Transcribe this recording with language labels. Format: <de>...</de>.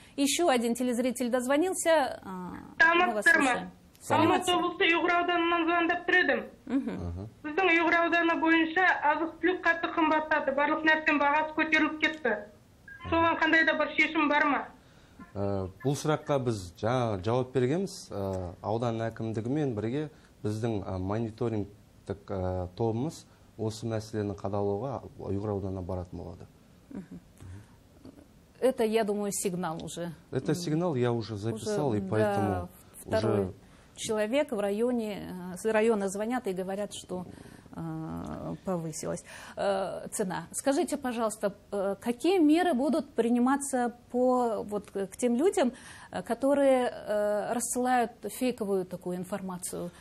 <ru>Еще один телезритель дозвонился.</ru> <kk>Саламатсыз ба? Алматы облысы Югра ауданынан звондап тұр едім. Біздің Югра ауданы бойынша азық-түлік қатты бастады, барлық нәрсен бағасы көтеріліп кетті. Соған қандай да бір шешім бар ма? Бұл сұраққа біз жауап бергеміз. Аудан әкімдігімен бірге біздің мониторингтік тобымыз осы мәселені қадағалауға Ұйғыр ауданына баратын болады.</kk> <ru>Это, я думаю, сигнал уже. Это сигнал я уже записал, уже, и поэтому... Да, второй уже... человек в районе, с района звонят и говорят, что повысилась цена. Скажите, пожалуйста, какие меры будут приниматься по, вот, к тем людям, которые рассылают фейковую такую информацию?</ru>